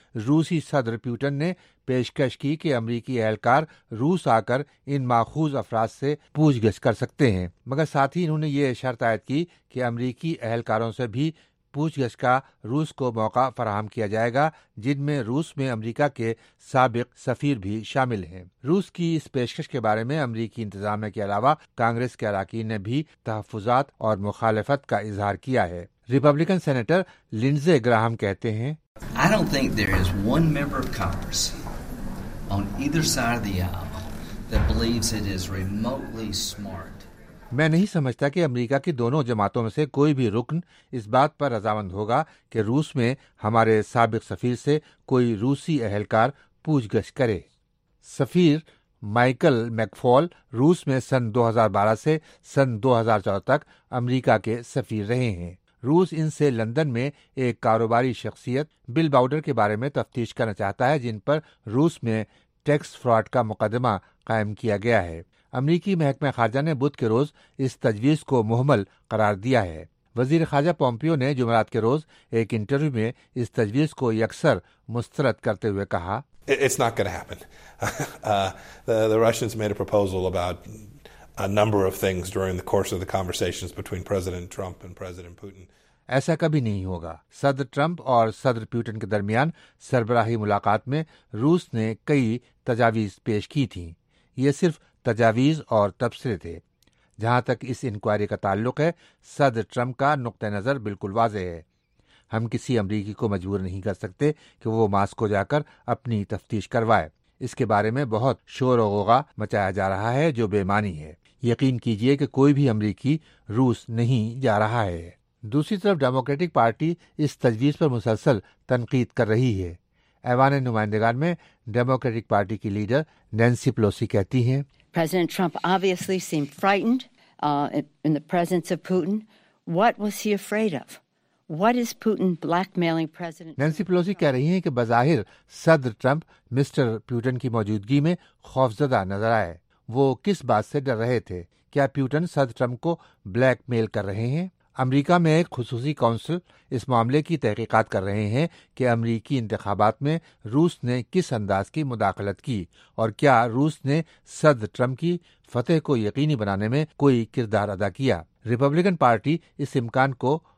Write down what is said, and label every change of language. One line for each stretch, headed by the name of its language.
Urdu: روسی صدر پیوٹن نے پیشکش کی کہ امریکی اہلکار روس آ کر ان ماخوذ افراد سے پوچھ گچھ کر سکتے ہیں، مگر ساتھ ہی انہوں نے یہ شرط عائد کی کہ امریکی اہلکاروں سے بھی پوچھ گچھ کا روس کو موقع فراہم کیا جائے گا، جن میں روس میں امریکہ کے سابق سفیر بھی شامل ہیں۔ روس کی اس پیشکش کے بارے میں امریکی انتظامیہ کے علاوہ کانگریس کے اراکین نے بھی تحفظات اور مخالفت کا اظہار کیا ہے۔ ریپبلکن سینیٹر لنڈزے گراہم کہتے ہیں،
English: I don't think there is one member of Congress on either side of the aisle that believes it is remotely smart.
Urdu: میں نہیں سمجھتا کہ امریکہ کی دونوں جماعتوں میں سے کوئی بھی رکن اس بات پر رضامند ہوگا کہ روس میں ہمارے سابق سفیر سے کوئی روسی اہلکار پوچھ گچھ کرے۔ سفیر مائیکل میکفال روس میں سن 2012 سے سن 2014 تک امریکہ کے سفیر رہے ہیں۔ روس ان سے لندن میں ایک کاروباری شخصیت بل باؤڈر کے بارے میں تفتیش کرنا چاہتا ہے جن پر روس میں ٹیکس فراڈ کا مقدمہ قائم کیا گیا ہے۔ امریکی محکمہ خارجہ نے بدھ کے روز اس تجویز کو مہمل قرار دیا ہے۔ وزیر خارجہ پومپیو نے جمعرات کے روز ایک انٹرویو میں اس تجویز کو یکسر مسترد کرتے ہوئے کہا،
English: It's not going to happen. The Russians made a proposal about a number of things during the course of the conversations between President Trump and President Putin.
Urdu: ایسا کبھی نہیں ہوگا۔ صدر ٹرمپ اور صدر پیوٹن کے درمیان سربراہی ملاقات میں روس نے کئی تجاویز پیش کی تھیں، یہ صرف تجاویز اور تبصرے تھے۔ جہاں تک اس انکوائری کا تعلق ہے، صدر ٹرمپ کا نقطہ نظر بالکل واضح ہے۔ ہم کسی امریکی کو مجبور نہیں کر سکتے کہ وہ ماسکو جا کر اپنی تفتیش کروائے۔ اس کے بارے میں بہت شور و غوغا مچایا جا رہا ہے جو بے معنی ہے۔ یقین کیجئے کہ کوئی بھی امریکی روس نہیں جا رہا ہے۔ دوسری طرف ڈیموکریٹک پارٹی اس تجویز پر مسلسل تنقید کر رہی ہے۔ ایوان نمائندگان میں ڈیموکریٹک پارٹی کی لیڈر نینسی پلوسی کہتی ہیں،
English: President Trump obviously seemed frightened in the presence of Putin. What was he afraid of? What is Putin blackmailing President Trump?
Urdu: Nancy پلوسی کہہ رہی ہیں کہ بظاہر صدر ٹرمپ مسٹر پیوٹن کی موجودگی میں خوفزدہ نظر آئے۔ وہ کس بات سے ڈر رہے تھے؟ کیا پیوٹن صدر ٹرمپ کو بلیک میل کر رہے ہیں؟ امریکہ میں ایک خصوصی کونسل اس معاملے کی تحقیقات کر رہے ہیں کہ امریکی انتخابات میں روس نے کس انداز کی مداخلت کی اور کیا روس نے صدر ٹرمپ کی فتح کو یقینی بنانے میں کوئی کردار ادا کیا۔ ریپبلکن پارٹی اس امکان کو